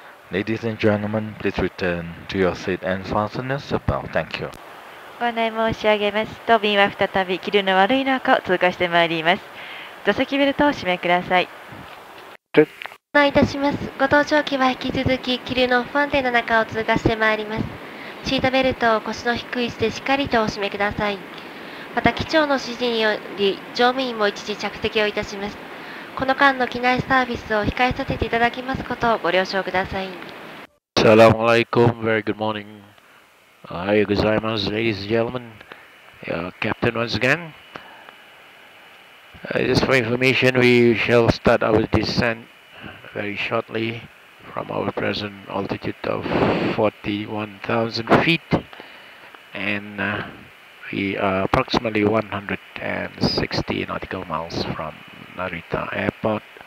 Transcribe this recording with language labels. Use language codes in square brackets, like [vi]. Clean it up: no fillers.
[en] Ladies and gentlemen, please return to your seat and fasten your seatbelt. Thank you. [ja] ご案内申し上げます。当便は再び霧の悪い中を通過してまいります。座席ベルトを締めください。ご案内いたします。ご搭乗機は引き続き霧の不安定な中を通過してまいります。シートベルトを腰の低い位置でしっかりとお締めください。また機長の指示により乗務員も一時着席をいたします。この間の機内サービスを控えさせていただきますことをご了承ください。 [ar] サラムアライコム、 [en] Very good morning. [ja] おはようございます、 [en] Ladies and gentlemen. Your captain once again. Just for information, we shall start our descent very shortly. From our present altitude of 41,000 feet, and we are approximately 160 nautical miles from Narita Airport.